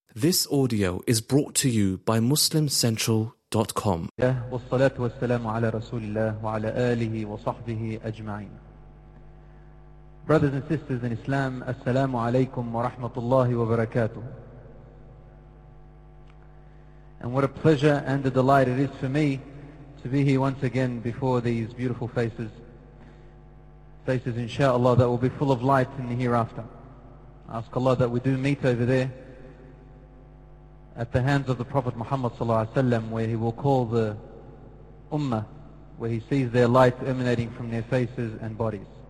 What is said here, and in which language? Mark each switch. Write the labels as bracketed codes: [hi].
[en] This audio is brought to you by MuslimCentral.com. [ar] والصلاة والسلام على رسول الله وعلى آله وصحبه أجمعين. [en] Brothers and sisters in Islam, [ar] السلام عليكم ورحمة الله وبركاته. [en] And what a pleasure and a delight it is for me to be here once again before these beautiful faces. Faces, inshallah, that will be full of light in the hereafter. I ask Allah that we do meet over there at the hands of the Prophet Muhammad sallallahu alaihi wasallam, where he will call the ummah, where he sees their light emanating from their faces and bodies.